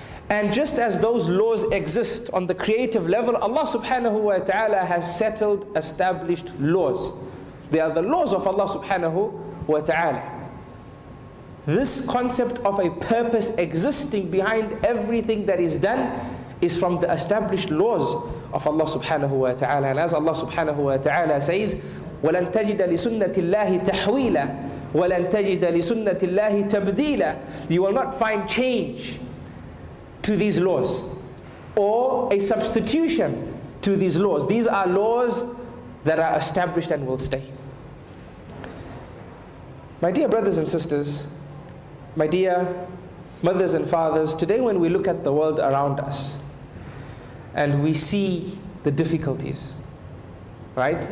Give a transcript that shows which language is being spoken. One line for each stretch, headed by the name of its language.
English: And just as those laws exist on the creative level, Allah subhanahu wa ta'ala has settled established laws. They are the laws of Allah subhanahu wa ta'ala. This concept of a purpose existing behind everything that is done is from the established laws of Allah subhanahu wa ta'ala. And as Allah subhanahu wa ta'ala says,
Arabic: وَلَن تَجِدَ لِسُنَّةِ اللَّهِ تَحْوِيلًا وَلَن تَجِدَ لِسُنَّةِ اللَّهِ تَبْدِيلًا.
English: You will not find change to these laws or a substitution to these laws. These are laws that are established and will stay. My dear brothers and sisters, my dear mothers and fathers, today when we look at the world around us and we see the difficulties, right?